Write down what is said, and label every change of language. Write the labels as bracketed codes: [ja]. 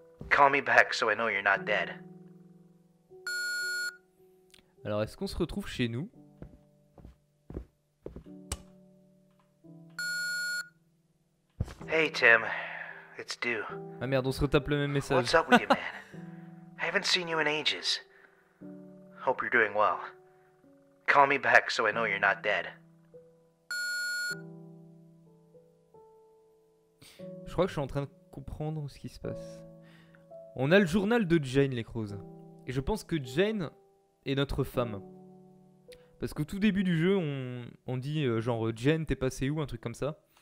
[en] Call me back so I know you're not dead. [fr] Alors, est-ce qu'on se retrouve chez nous? [en] Hey Tim, it's Dew. [fr] Ah merde, on se retape le même message. [en] What's up with you, man? I haven't seen you in ages. Hope you're doing well. Call me back so I know you're not dead. [fr] Je crois que je suis en train de comprendre ce qui se passe. On a le journal de Jane, les crozes. Et je pense que Jane est notre femme. Parce qu'au tout début du jeu, on dit genre Jane, t'es passé où, un truc comme ça.